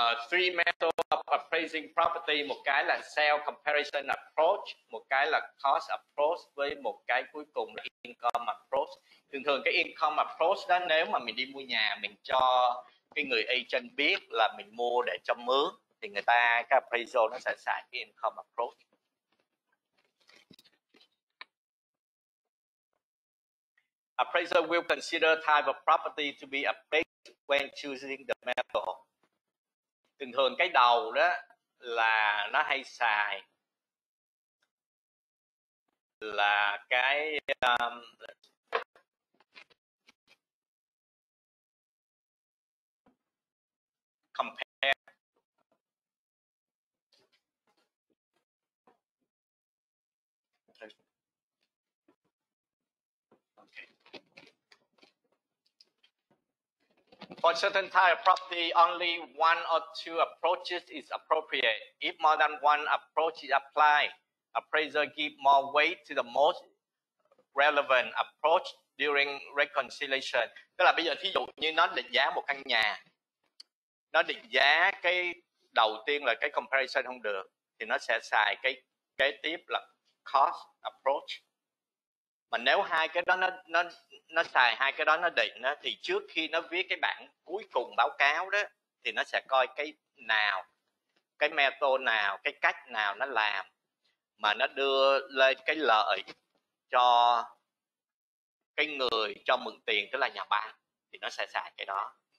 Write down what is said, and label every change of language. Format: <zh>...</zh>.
<en>Three methods of appraising property,</en> <vi>một cái là sale comparison approach, một cái là cost approach, với một cái cuối cùng là income approach. Thường thường cái income approach đó, nếu mà mình đi mua nhà, mình cho cái người agent biết là mình mua để cho mướn, thì người ta, cái appraisal nó sẽ xài cái income approach.</vi> <en>Appraiser will consider type of property to be appraised when choosing the method.</en> <vi>Thường thường cái đầu đó là nó hay xài là cái compare.</vi> <en>For certain type of property, only one or two approaches is appropriate. If more than one approach is applied, appraiser give more weight to the most relevant approach during reconciliation.</en> <vi>Tức là bây giờ thí dụ như nó định giá một căn nhà, nó định giá cái đầu tiên là cái comparison không được, thì nó sẽ xài cái kế tiếp là cost approach. Mà nếu hai cái đó nó xài hai cái đó nó định đó, thì trước khi nó viết cái bản cuối cùng báo cáo đó, thì nó sẽ coi cái nào, cái method nào, cái cách nào nó làm mà nó đưa lên cái lợi cho cái người cho mượn tiền, tức là nhà bán, thì nó sẽ xài cái đó.</vi>